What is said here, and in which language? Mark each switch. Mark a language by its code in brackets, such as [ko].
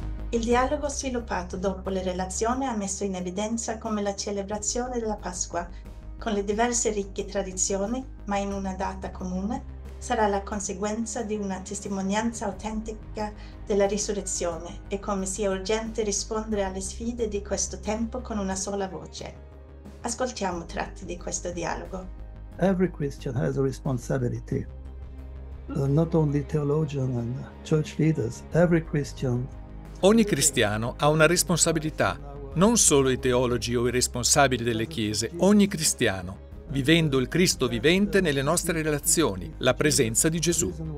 [it] Il dialogo sviluppato dopo le relazioni ha messo in evidenza come la celebrazione della Pasqua, con le diverse ricche tradizioni, ma in una data comune, sarà la conseguenza di una testimonianza autentica della risurrezione e come sia urgente rispondere alle sfide di questo tempo con una sola voce. Ascoltiamo tratti di questo dialogo. [en] Every Christian has a responsibility, not only theologian and church leaders, every Christian. [it] Ogni cristiano ha una responsabilità, non solo i teologi o i responsabili delle chiese, ogni cristiano, vivendo il Cristo vivente nelle nostre relazioni, la presenza di Gesù.